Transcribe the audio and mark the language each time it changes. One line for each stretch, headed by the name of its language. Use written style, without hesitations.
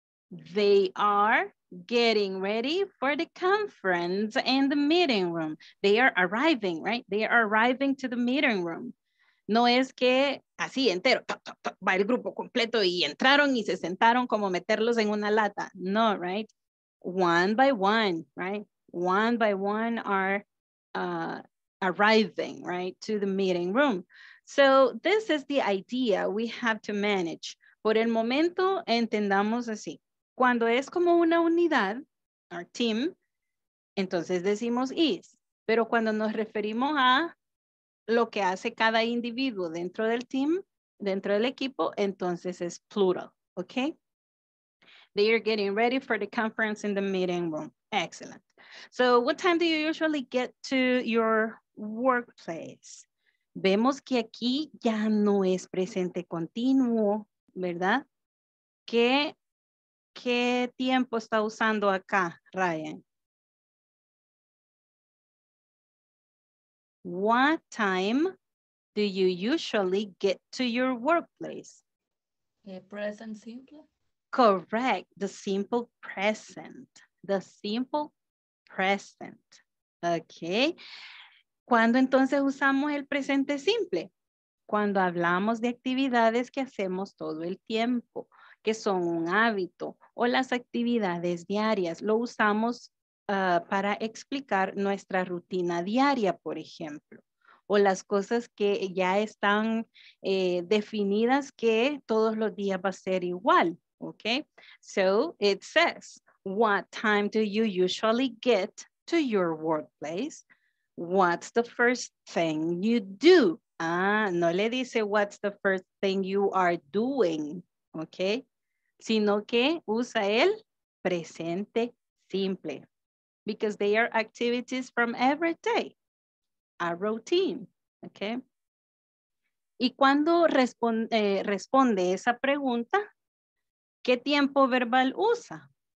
English: They are getting ready for the conference in the meeting room. They are arriving, right? They are arriving to the meeting room.
Spanish: No es que así entero, top, top, top, va el grupo completo y entraron y se sentaron como meterlos en una lata.
English: No, right? One by one, right? One by one are arriving, right? To the meeting room. So this is the idea we have to manage.
Spanish: Por el momento, entendamos así. Cuando es como una unidad,
English: our team,
Spanish: entonces decimos is. Pero cuando nos referimos a lo que hace cada individuo dentro del team, dentro del equipo, entonces es plural, okay?
English: They are getting ready for the conference in the meeting room. Excellent. So what time do you usually get to your workplace?
Spanish: Vemos que aquí ya no es presente continuo, ¿verdad? ¿Qué tiempo está usando acá, Ryan?
English: What time do you usually get to your workplace? Present simple. Correct, the simple present. The simple present, okay.
Spanish: ¿Cuándo entonces usamos el presente simple? Cuando hablamos de actividades que hacemos todo el tiempo, que son un hábito, o las actividades diarias, lo usamos para explicar nuestra rutina diaria, por ejemplo. o las cosas que ya están definidas que todos los días va a ser igual, okay?
English: So it says, what time do you usually get to your workplace? What's the first thing you do?
Spanish: Ah, no le dice
English: what's the first thing you are doing, okay?
Spanish: Sino que usa el presente simple.
English: Because they are activities from every day, a routine, okay?
Spanish: Y cuando responde esa pregunta, ¿qué tiempo verbal usa?